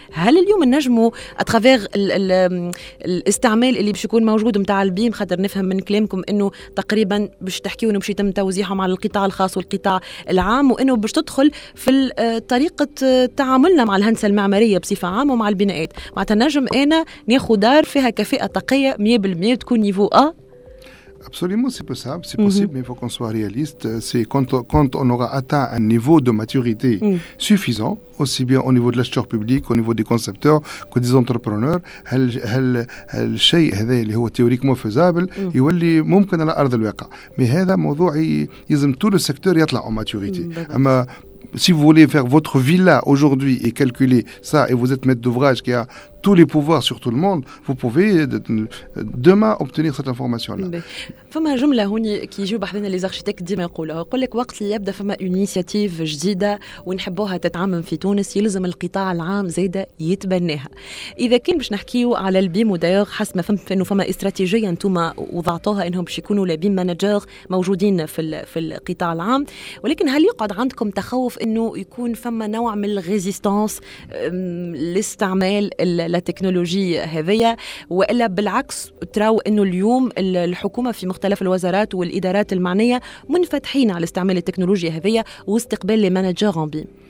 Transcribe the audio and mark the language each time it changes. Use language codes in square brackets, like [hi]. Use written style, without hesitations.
[ar] هل اليوم النجم اترافير الاستعمال اللي باش يكون موجود نتاع البيم، خاطر نفهم من كلامكم انه تقريبا باش تحكيوا انه باش يتم توزيعهم على القطاع الخاص والقطاع العام، وانه باش تدخل في طريقه تعاملنا مع الهندسه المعماريه بصفه عامه ومع البنايات، معناتها النجم انا ناخذ دار فيها كفاءه طاقيه 100% تكون نيفو A. [fr] Absolument, c'est possible, c'est possible, mais il faut qu'on soit réaliste. C'est quand on aura atteint un niveau de maturité suffisant, aussi bien au niveau de l'acheteur public, au niveau des concepteurs que des entrepreneurs, le chose qui est théoriquement faisable est possible sur la terre de l'Ouaka. Mais c'est un sujet qui est tout le secteur qui est en maturité. Si vous voulez faire votre villa aujourd'hui et calculer ça, et vous êtes maître d'ouvrage qui a tous les pouvoirs sur tout le monde, vous pouvez demain obtenir cette information-là. [ar] فما جملة هوني كي يجيو بحذنا لي زارشيتيك ديما يقولوها، يقول لك وقت اللي يبدا فما انيسياتيف جديدة ونحبوها تتعمم في تونس يلزم القطاع العام زيدا يتبناها. إذا كان باش نحكيو على البيم، ودايوغ حسب ما فهمت إنه فما استراتيجية أنتم وضعتوها أنهم باش يكونوا لبيم مانجر موجودين في القطاع العام، ولكن هل يقعد عندكم تخوف إنه يكون فما نوع من الريزيستانس لاستعمال التكنولوجيا هذيا، وإلا بالعكس تراو إنه اليوم الحكومة في مختلف الوزارات والإدارات المعنية منفتحين على استعمال التكنولوجيا هذية واستقبال المانجر أون بيم؟